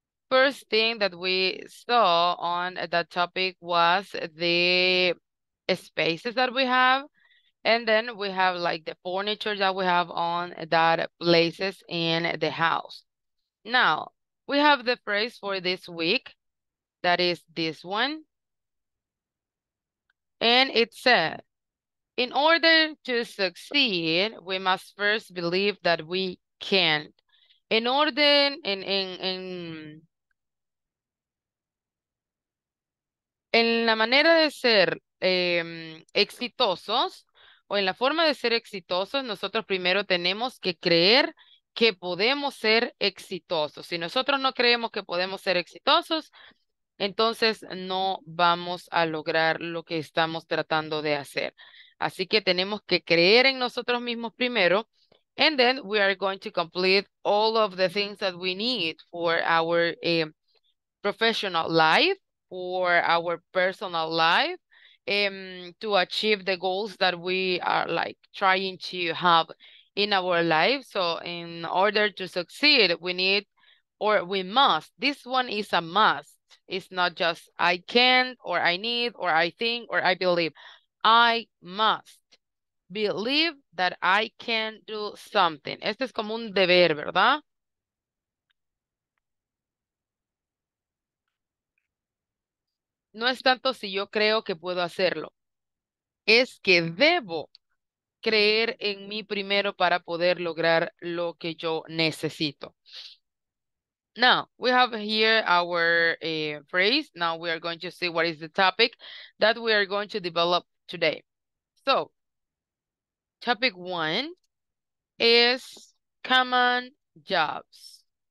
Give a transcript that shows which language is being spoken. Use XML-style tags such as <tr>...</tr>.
<en>First thing that we saw on that topic was the spaces that we have, and then we have like the furniture that we have on that places in the house. Now, we have the phrase for this week, that is this one, and it said, in order to succeed, we must first believe that we can. In order,</en> <es>en la manera de ser exitosos o en la forma de ser exitosos, nosotros primero tenemos que creer que podemos ser exitosos. Si nosotros no creemos que podemos ser exitosos, entonces no vamos a lograr lo que estamos tratando de hacer. Así que tenemos que creer en nosotros mismos primero,</es> <en>and then we are going to complete all of the things that we need for our professional life, for our personal life, to achieve the goals that we are like trying to have in our life. So in order to succeed, we need, or we must, this one is a must. It's not just I can't, or I need, or I think, or I believe. I must believe that I can do something.</en> <es>Este es como un deber, ¿verdad? No es tanto si yo creo que puedo hacerlo. Es que debo creer en mí primero para poder lograr lo que yo necesito.</es> <en>Now, we have here our phrase. Now we are going to see what is the topic that we are going to develop today. So, topic one is common jobs.</en>